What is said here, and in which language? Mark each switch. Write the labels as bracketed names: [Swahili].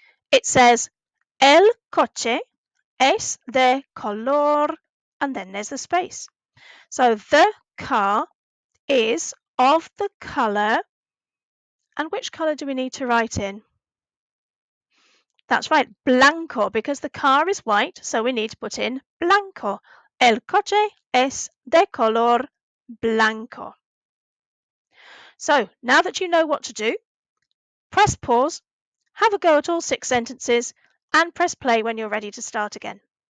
[English] It says, [Spanish] el coche es de color, [English] and then there's the space. So the car is of the color, and which color do we need to write in? That's right, blanco, because the car is white, so we need to put in blanco. [Spanish] El coche es de color blanco. [English] So now that you know what to do, press pause, have a go at all six sentences, and press play when you're ready to start again.